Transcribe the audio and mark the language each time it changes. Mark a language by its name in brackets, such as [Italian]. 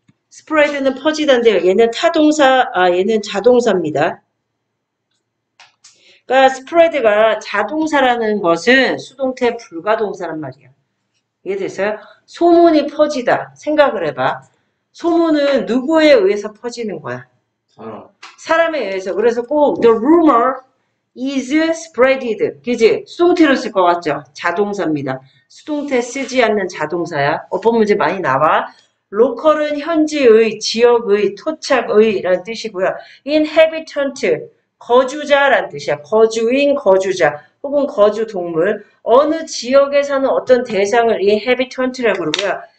[Korean] 스프레드는 퍼지단데요. 얘는 타동사, 아, 얘는 자동사입니다. 그러니까 스프레드가 자동사라는 것은 수동태 불가동사란 말이야. 이해됐어요? 소문이 퍼지다. 생각을 해봐. 소문은 누구에 의해서 퍼지는 거야? 사람에 의해서. 그래서 꼭 [English] the rumor is spreaded. [Korean] 그지? 수동태로 쓸것 같죠? 자동사입니다. 수동태 쓰지 않는 자동사야. 어법 문제 많이 나와. 로컬은 현지의, 지역의, 토착의라는 뜻이고요. inhabitant. 거주자란 뜻이야. 거주인, 거주자, 혹은 거주 동물. 어느 지역에 사는 어떤 대상을 inhabitant라고 그러고요.